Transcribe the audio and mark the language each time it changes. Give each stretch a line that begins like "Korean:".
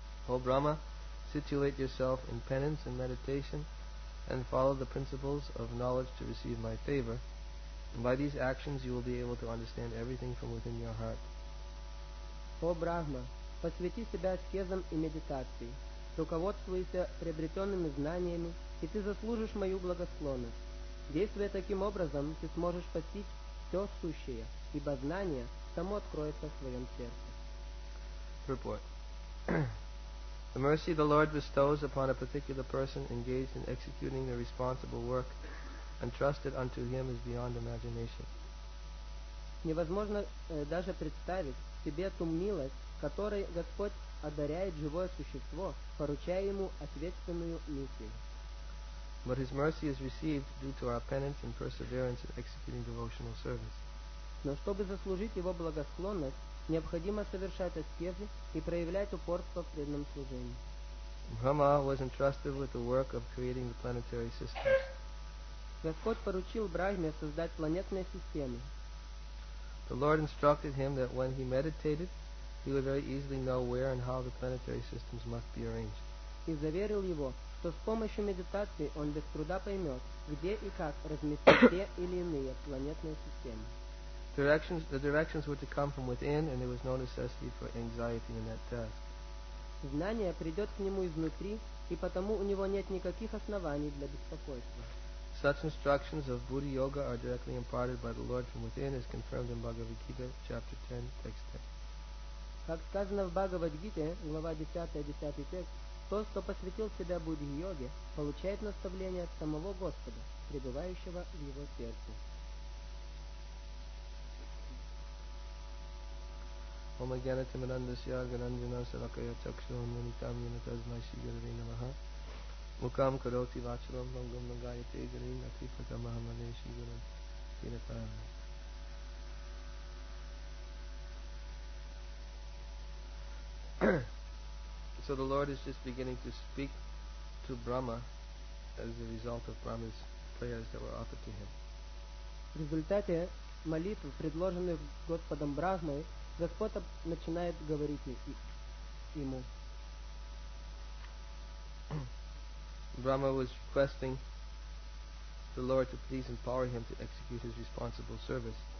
English: O Brahma, situate yourself in penance and meditation and follow the principles of knowledge to receive my favor. And by these actions, you will be able to understand everything from within your heart.
Russian: О Брахма, посвяти себя аскезам и медитации, руководствуйся приобретенными знаниями, и ты заслужишь мою благосклонность. Действуя таким образом, ты сможешь постичь все сущее, ибо знание само откроется в своем сердце.
English: Report. The mercy the Lord bestows upon a particular person engaged in executing the responsible work entrusted unto him is beyond imagination.
Russian: Невозможно даже представить себе ту милость, которой Господь одаряет живое существо, поручая ему ответственную миссию.
English: But his mercy is received due to our penance and perseverance in executing devotional service.
Russian: Но чтобы заслужить его благосклонность, необходимо совершать аскезы и проявлять упорство в преданном служении.
English: Brahma was entrusted with the work of creating the planetary system.
Russian: Господь поручил Брахме создать планетные системы.
English: The Lord instructed him that when he meditated, he would very easily know where and how the planetary systems must be arranged.
Russian: И заверил его, что с помощью медитации он без труда поймет, где и как разместить те или иные планетные системы.
English: The directions were to come from within, and there was no necessity for anxiety in that task.
Russian: Знание придет к нему изнутри, и потому у него нет никаких оснований для беспокойства.
English: Such instructions of Buddha Yoga are directly imparted by the Lord from within, as confirmed in Bhagavad Gita, chapter 10, text 10.
Russian: Как сказано в Бхагавад Гите, глава 10, 10 текст, тот, кто посвятил себя Будде Йоге, получает наставление от самого Господа, пребывающего в его сердце.
Sanskrit: Om Agyanati Manandasya Gananjana Sarakaya Chakshu Nyanitam Yenatazmai Shigarvi Namaha Mukam Karoti Vacharam Vangam Nagayate Garin Akrifata Mahamane Shigarvi Kiratam.
English: So the Lord is just beginning to speak to Brahma as a result of Brahma's prayers that were offered to him.
Russian: В результате молитв, предложенных Господом Брахмой, Господь начинает говорить ему.
English: Brahma was requesting the Lord to please empower him to execute his responsible service.